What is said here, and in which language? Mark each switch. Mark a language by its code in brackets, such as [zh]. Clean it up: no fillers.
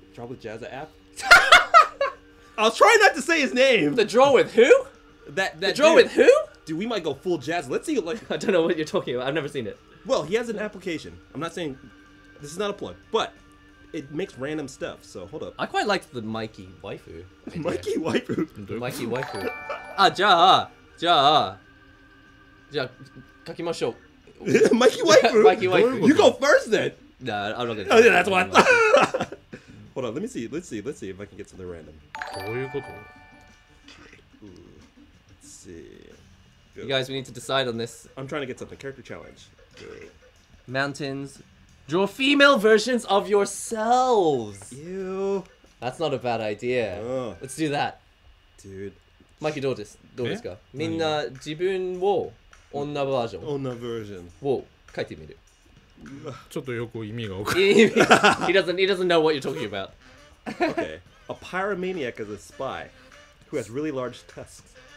[en] Draw with Jazza app. I'll try not to say his name. The draw with who? That draw with who? Dude, we might go full jazz. Let's see. Like, I don't know what you're talking about. I've never seen it. Well, he has an application. I'm not saying this is not a plug, but it makes random stuff. So hold up. I quite liked the Mikey waifu. Mikey waifu. Mikey waifu. [ja] Ah, じゃあ書きましょう. [en] Mikey waifu. Mikey waifu. You go first then. Nah, I'm not gonna. Oh yeah, that's why. Hold on. Let's see if I can get something random. [ja] どういうこと? [en] Let's see. Good. You guys, we need to decide on this. I'm trying to get something. Character challenge. Good. Mountains. Draw female versions of yourselves. Ew. That's not a bad idea. Oh. Let's do that. Dude. [ja] Mikey, どうですか?Yeah? みんな 自分を女バージョン。女バージョン。を書いてみる。ちょっとよく意味がわかる。 [en] He doesn't know what you're talking about. Okay. A pyromaniac is a spy who has really large tusks.